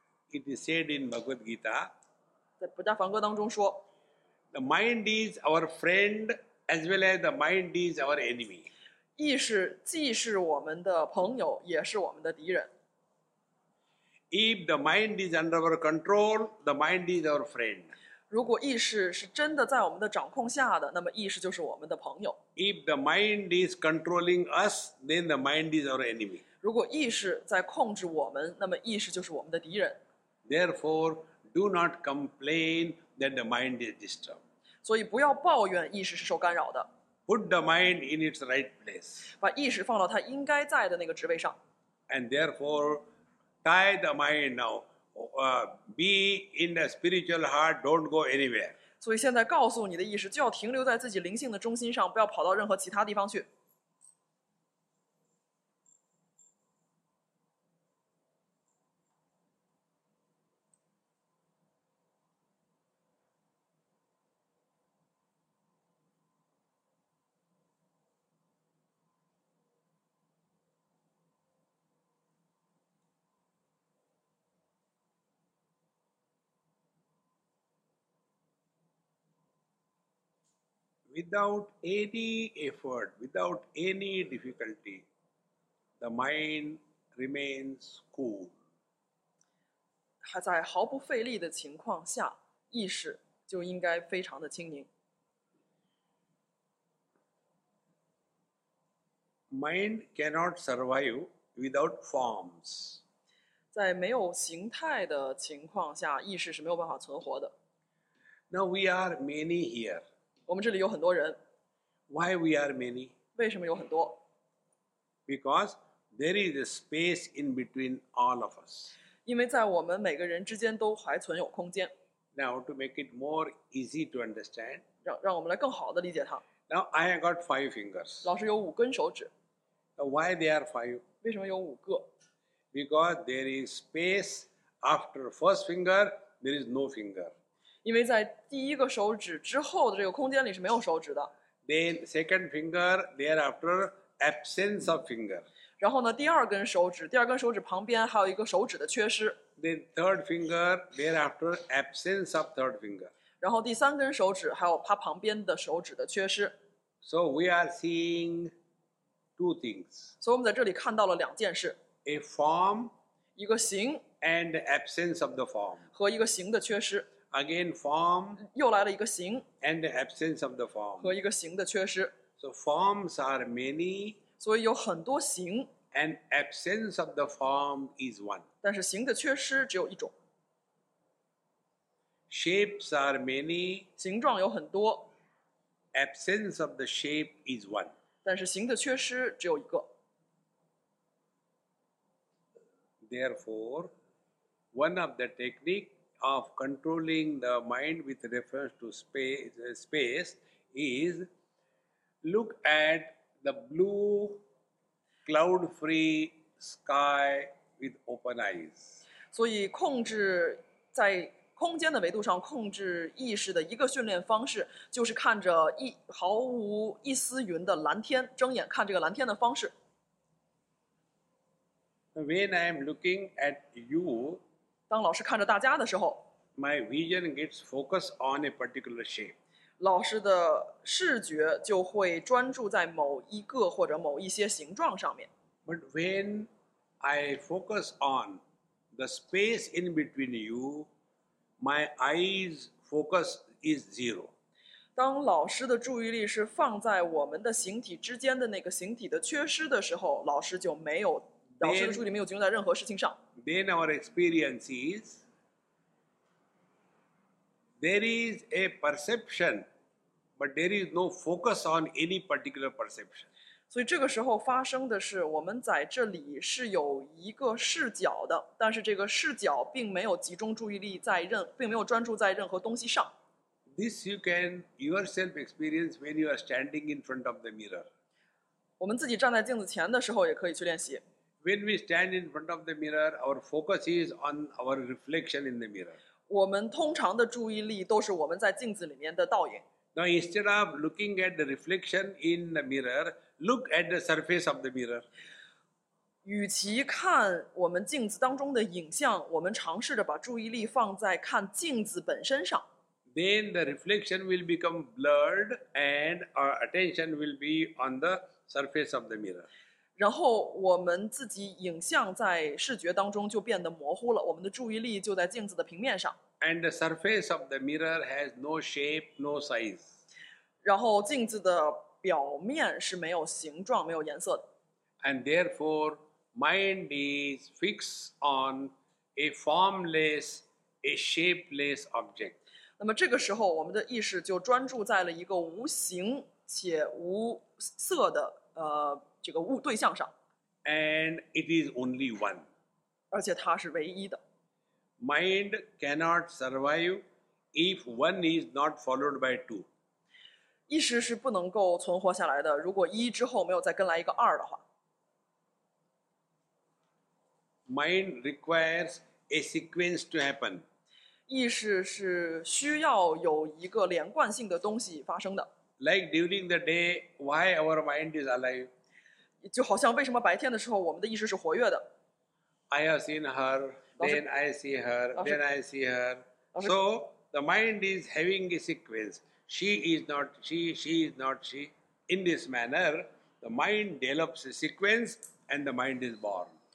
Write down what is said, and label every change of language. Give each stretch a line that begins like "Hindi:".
English: It is said in Bhagavad Gita.
Chinese: 在布达梵歌当中说。
English: The mind is our friend as well as the mind is our enemy.
Chinese: 意识既是我们的朋友也是我们的敌人。
English: If the mind is under our control, the mind is our friend.
Chinese: 如果意识是真的在我们的掌控下的，那么意识就是我们的朋友。
English: If the mind is controlling us, then the mind is our enemy.
Chinese: 如果意识在控制我们，那么意识就是我们的敌人。
English: Therefore, do not complain that the mind is disturbed.
Chinese: 所以不要抱怨意识是受干扰的。
English: Put the mind in its right place.
Chinese: 把意识放到它应该在的那个职位上。
English: And therefore, tie the mind now. Be in the spiritual heart. Don't go anywhere.
Chinese: 所以现在告诉你的意识就要停留在自己灵性的中心上，不要跑到任何其他地方去。
English: Without any effort, without any difficulty, the mind remains cool.
Chinese: 还在毫不费力的情况下，意识就应该非常的清宁。
English: Mind cannot survive without forms.
Chinese: 在没有形态的情况下，意识是没有办法存活的。
English: Now we are many here.
Chinese: 我们这里有很多人。
English: Why we are many?
Chinese: 为什么有很多？
English: Because there is a space in between all of us.
Chinese: 因为在我们每个人之间都还存有空间。
English: Now to make it more easy to understand.
Chinese: 让我们来更好的理解它。
English: Now I have got 5 fingers.
Chinese: 老师有五根手指。
English: Now why they are 5?
Chinese: 为什么有五个？
English: Because there is space after first finger, there is no finger.
Chinese: 因为在第一个手指之后的这个空间里是没有手指的。
English: Then second finger thereafter absence of finger.
Chinese: 然后呢，第二根手指旁边还有一个手指的缺失。
English: Then third finger thereafter absence of third finger.
Chinese: 然后第三根手指还有它旁边的手指的缺失。
English: So we are seeing two things.
Chinese: 所以我们在这里看到了两件事。
English: A form.
Chinese: 一个形。
English: And absence of the form.
Chinese: 和一个形的缺失。
English: Again, form.
Chinese: 又来了一个形。
English: And the absence of the form.
Chinese: 和一个形的缺失。
English: So forms are many.
Chinese: 所以有很多形。
English: And absence of the form is one.
Chinese: 但是形的缺失只有一种。
English: Shapes are many.
Chinese: 形状有很多。
English: Absence of the shape is one.
Chinese: 但是形的缺失只有一个。
English: Therefore, one of the techniques. Of controlling the mind with reference to space is look at the blue cloud free sky with open eyes.
Chinese: 所以控制在空间的维度上控制意识的一个训练方式，就是看着一毫无一丝云的蓝天，睁眼看这个蓝天的方式。
English: When I'm looking at you,
Chinese: 当老师看着大家的时候，
English: my vision gets focused on a particular shape.
Chinese: 老师的视觉就会专注在某一个或者某一些形状上面。
English: But when I focus on the space in between you, my eyes focus is zero.
Chinese: 当老师的注意力是放在我们的形体之间的那个形体的缺失的时候，老师就没有。老师的注意力没有集中在任何事情上。
English: Then our experience is, there is a perception, but there is no focus on any particular perception.
Chinese: 所以这个时候发生的是，我们在这里是有一个视角的，但是这个视角并没有集中注意力在任，并没有专注在任何东西上。
English: This you can yourself experience when you are standing in front of the mirror.
Chinese: 我们自己站在镜子前的时候也可以去练习。
English: When we stand in front of the mirror, our focus is on our reflection in the mirror.
Chinese: 我们通常的注意力都是我们在镜子里面的倒影。
English: Now instead of looking at the reflection in the mirror, look at the surface of the mirror.
Chinese: 与其看我们镜子当中的影像，我们尝试着把注意力放在看镜子本身上。
English: Then the reflection will become blurred and our attention will be on the surface of the mirror.
Chinese: 然后我们自己影像在视觉当中就变得模糊了，我们的注意力就在镜子的平面上。
English: And the surface of the mirror has no shape, no size.
Chinese: 然后镜子的表面是没有形状、没有颜色的。
English: And therefore, mind is fixed on a formless, a shapeless object.
Chinese: 那么这个时候，我们的意识就专注在了一个无形且无色的这个物对象上。
English: And it is only one.
Chinese: 而且它是唯一的。
English: Mind cannot survive if one is not followed by two.
Chinese: 意识是不能够存活下来的，如果一之后没有再跟来一个二的话。
English: Mind requires a sequence to happen.
Chinese: 意识是需要有一个连贯性的东西发生的。
English: Like during the day, why our mind is alive?
Chinese: 就好像为什么白天的时候我们的意识是活跃的。
English: I have seen her, then I see her, then I see her. So the mind is having a sequence. She is not she, she is not she. In this manner, the mind develops a sequence and the mind is born.